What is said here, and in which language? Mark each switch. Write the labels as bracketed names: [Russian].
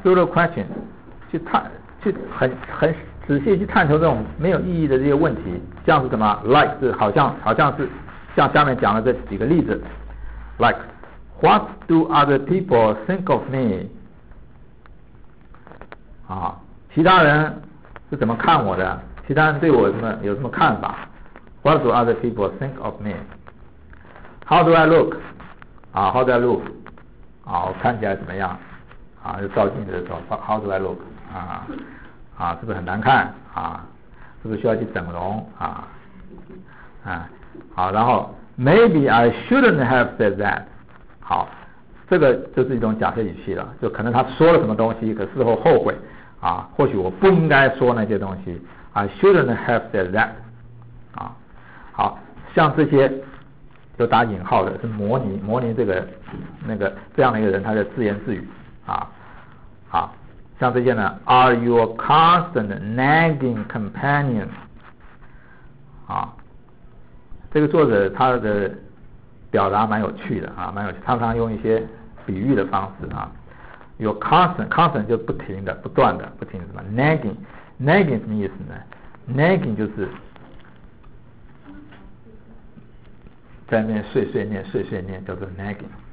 [Chinese] futile question 去探去很仔细去探求这种没有意义的这些问题，像是什么 like 是好像是像下面讲的这几个例子 ， [English] like what do other people think of me？ [Chinese] 啊，其他人是怎么看我的？其他人对我有什么看法 ？ [English] What do other people think of me？How do I look？ [Chinese] 啊 ， [English] How do I look？ [Chinese] 啊，我看起来怎么样？啊，就照镜子的时候 ， [English] How do I look？ [Chinese] 啊，是不是很难看？啊，是不是需要去整容？啊，啊。好，然后 [English] maybe I shouldn't have said that。 [Chinese] 好，这个就是一种假设语气了，就可能他说了什么东西可事后后悔啊，或许我不应该说那些东西， [English] I shouldn't have said that。 [Chinese] 啊，好像这些就打引号的，是模拟模拟这个那个这样的一个人，他的自言自语啊。好，像这些呢 [English] ，Are your constant nagging companion？ [Chinese] 啊，这个作者他的表达蛮有趣的啊，蛮有趣，常常用一些比喻的方式啊。 Your constant constant 就不停的、不断的、不停的什么 nagging nagging 什么意思呢 ？nagging 就是在那碎碎念、碎碎念，叫做 nagging。